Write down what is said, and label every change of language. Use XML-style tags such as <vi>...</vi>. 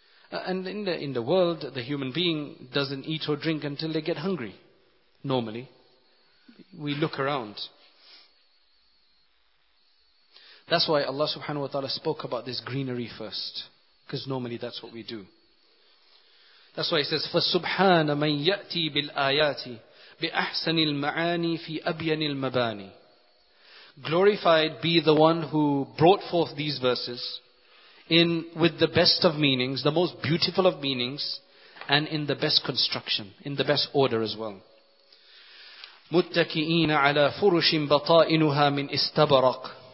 <en>And in the world, the human being doesn't eat or drink until they get hungry. Normally, we look around. That's why Allah subhanahu wa ta'ala spoke about this greenery first. Because normally that's what we do. That's why he says,</en> <ar>فَسُبْحَانَ مَنْ يَأْتِي بِالْآيَاتِ بِأَحْسَنِ الْمَعَانِ فِي أَبْيَنِ الْمَبَانِ.</ar> <en>Glorified be the one who brought forth these verses in with the best of meanings, the most beautiful of meanings, and in the best construction, in the best order as well.</en> <ar>مُتَّكِئِينَ عَلَى فُرُشٍ بَطَائِنُهَا مِنْ إِسْتَبَرَقْ.</ar>